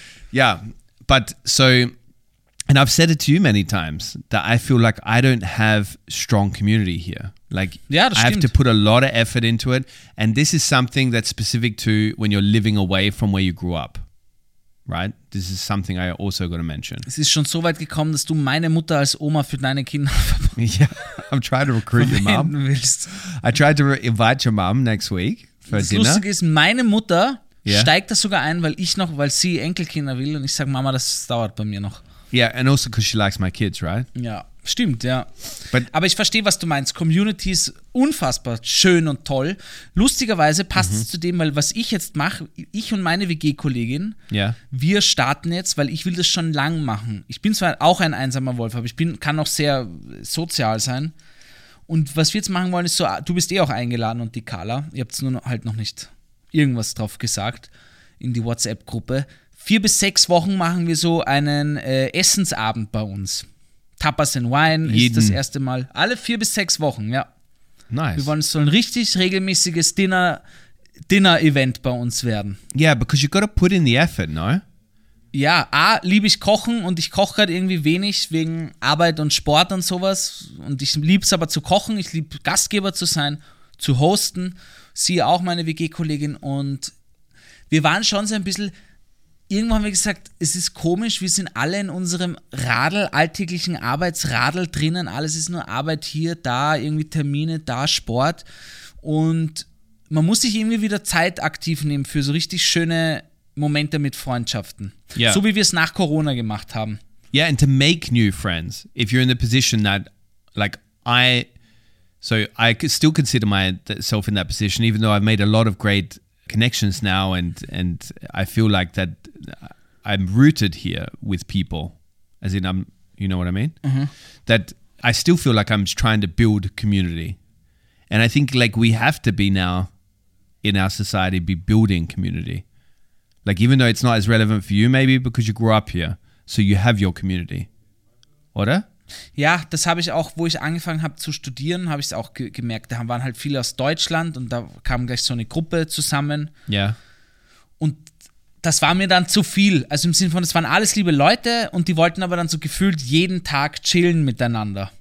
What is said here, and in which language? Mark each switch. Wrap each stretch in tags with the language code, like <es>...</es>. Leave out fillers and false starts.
<en>Yeah, but so, and I've said it to you many times that I feel like I don't have strong community here. Like, yeah, that's I have to put a lot of effort into it. And this is something that's specific to when you're living away from where you grew up, right? This is something I also got to mention.</en> <de>Es ist schon so weit gekommen, dass du meine Mutter als Oma für deine Kinder verbringst.</de> <en>Yeah, I'm trying to recruit your mom. I tried to invite your mom next week for</en> <de>das</de> <en>dinner.</en> <de>Das Lustige ist, meine Mutter... Yeah. Steigt das sogar ein, weil sie Enkelkinder will und ich sage, Mama, das dauert bei mir noch.</de> <en>Yeah, and also because she likes my kids, right?</en> <de>Ja, stimmt, ja.</de> <en>But</en> <de>aber ich verstehe, was du meinst. Community ist unfassbar schön und toll. Lustigerweise passt es zu dem, weil was ich jetzt mache, ich und meine WG-Kollegin, wir starten jetzt, weil ich will das schon lang machen. Ich bin zwar auch ein einsamer Wolf, aber ich kann auch sehr sozial sein. Und was wir jetzt machen wollen, ist so, du bist eh auch eingeladen und die Carla, ihr habt es nur halt noch nicht... irgendwas drauf gesagt in die WhatsApp-Gruppe. 4 bis 6 Wochen machen wir so einen Essensabend bei uns. Tapas and Wine ist das erste Mal. Alle 4 bis 6 Wochen, ja.</de> <en>Nice.</en> <de>Wir wollen so ein richtig regelmäßiges Dinner-Event bei uns werden.</de> <en>Yeah, because you gotta put in the effort, no?</en> <de>Ja, A, liebe ich kochen und ich koche gerade irgendwie wenig wegen Arbeit und Sport und sowas. Und ich liebe es aber zu kochen, ich liebe Gastgeber zu sein, zu hosten. Sie auch, meine WG-Kollegin, und wir waren schon so ein bisschen, irgendwo haben wir gesagt, es ist komisch, wir sind alle in unserem Radl, alltäglichen Arbeitsradl drinnen, alles ist nur Arbeit hier, da, irgendwie Termine, da, Sport, und man muss sich irgendwie wieder Zeit aktiv nehmen für so richtig schöne Momente mit Freundschaften,</de> <en>yeah.</en> <de>So wie wir es nach Corona gemacht haben.</de> <en>Yeah, and to make new friends, if you're in the position that, like, So I still consider myself in that position, even though I've made a lot of great connections now and I feel like that I'm rooted here with people, as in I'm, you know what I mean? Mm-hmm. That I still feel like I'm trying to build community. And I think like we have to be now in our society, be building community. Like even though it's not as relevant for you maybe because you grew up here, so you have your community, oder?</en> <de>Ja, das habe ich auch, wo ich angefangen habe zu studieren, habe ich es auch gemerkt. Da waren halt viele aus Deutschland und da kam gleich so eine Gruppe zusammen. Ja. Yeah. Und das war mir dann zu viel. Also im Sinne von, das waren alles liebe Leute und die wollten aber dann so gefühlt jeden Tag chillen miteinander.</de>